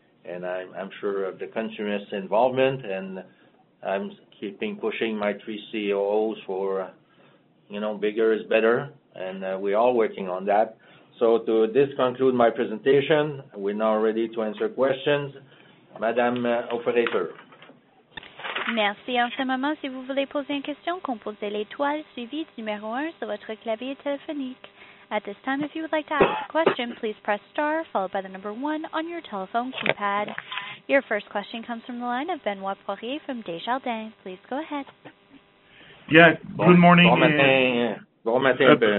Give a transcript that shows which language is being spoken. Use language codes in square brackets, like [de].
[en] And I'm sure of the continuous involvement, and I'm keeping pushing my three COOs for, bigger is better, and we're all working on that. So to this conclude my presentation, we're now ready to answer questions. Madame Operator. [fr] Merci. En ce moment, si vous voulez poser une question, composez l'étoile suivie du numéro 1 sur votre clavier téléphonique. [en] At this time, if you would like to ask a question, please press star followed by the number 1 on your telephone keypad. Your first question comes from the line of Benoit Poirier from Desjardins. Please go ahead. Yeah, good morning. [fr] Bon matin.